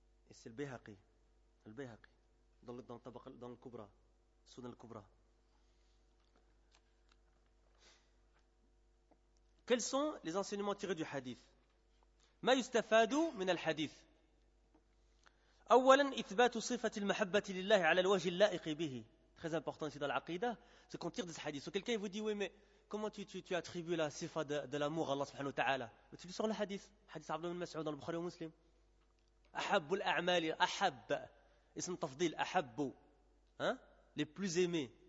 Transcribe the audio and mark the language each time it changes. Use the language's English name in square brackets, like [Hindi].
[French] Et c'est le Bayhaqi, dans le Kubra, Sunan al-Kubra. Quels sont les enseignements tirés du hadith? [Arabic] Ma yustafadu min al-hadith. أولا إثبات صفة المحبة لله على الوجه اللائق به. [French] Très important ici dans l'aqidah, c'est qu'on tire des hadiths. So, quelqu'un vous dit, oui, mais comment tu attribues la sifa de l'amour à Allah subhanahu wa ta'ala? Mais tu lis sur le hadith. Hadith Abdullah ibn Mas'ud dans le Bukhari et Muslim. [Arabic] أحب الأعمال أحب. اسم تفضيل أحب. [French] Les plus aimés.